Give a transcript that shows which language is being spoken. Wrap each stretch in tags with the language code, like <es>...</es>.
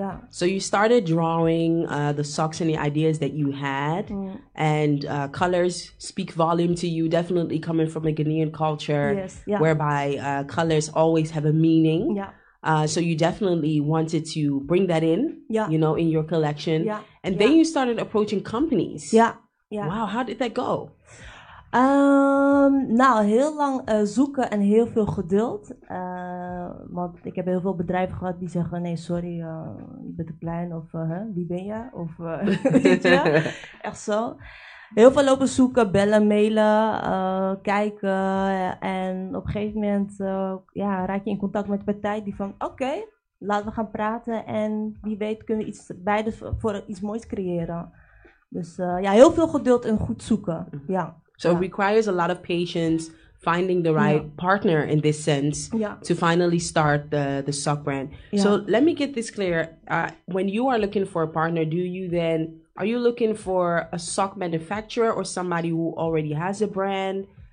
<en>So you started drawing the socks and the ideas that you had, and colors speak volume to you, definitely coming from a Ghanaian culture, whereby colors always have a meaning. So you definitely wanted to bring that in, you know, in your collection. Then you started approaching companies. Wow, how did that go?</en> <nl>Nou, heel lang zoeken en heel veel geduld. Want ik heb heel veel bedrijven gehad die zeggen, nee, sorry, je bent te klein. Of wie ben je? Of weet je? Echt zo. Heel veel lopen zoeken, bellen, mailen, kijken. En op een gegeven moment raak je in contact met een partij die van, oké, laten we gaan praten. En wie weet kunnen we iets beide voor iets moois creëren. Dus heel veel geduld en goed zoeken, ja.</nl> <en>So it requires a lot of patience, finding the right partner in this sense to finally start the sock brand. Yeah. So let me get this clear. When you are looking for a partner, are you looking for a sock manufacturer or somebody who already has a brand?</en>